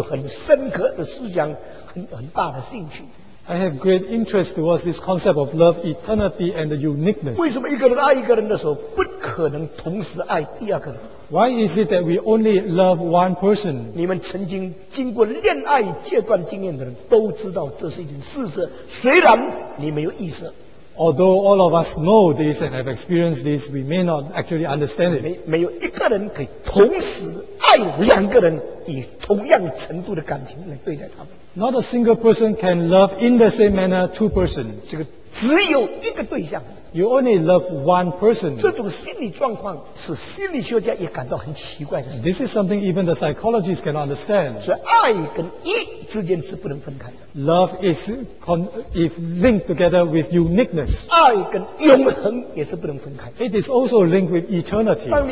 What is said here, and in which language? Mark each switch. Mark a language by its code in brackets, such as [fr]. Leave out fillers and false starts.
[zh] 我对这个爱、永恒跟专利三件事情的关联有很深刻的思想，很大的兴趣。 [en] I have great interest towards this concept of love, eternity, and the uniqueness. [zh] 为什么一个人爱一个人的时候，不可能同时爱第二个人？ [en] Why is it that we only love one person? [zh] 你们曾经经过恋爱阶段经验的人都知道这是一件事实，虽然你没有意识。 [en] Although all of us know this and have experienced this, we may not actually understand it. [zh] 没有一个人可以同时爱两个人以同样程度的感情来对待他们。 [en] Not a single person can love in the same manner two persons. [zh] 这个只有一个对象。 [en] You only love one person. [zh] 这种心理状况是心理学家也感到很奇怪的。 [en] This is something even the psychologists can understand. [zh] 所以爱跟一之间是不能分开的。 [en] Love is if linked together with uniqueness. [zh] 爱跟永恒也是不能分开。 [en] It is also linked with eternity.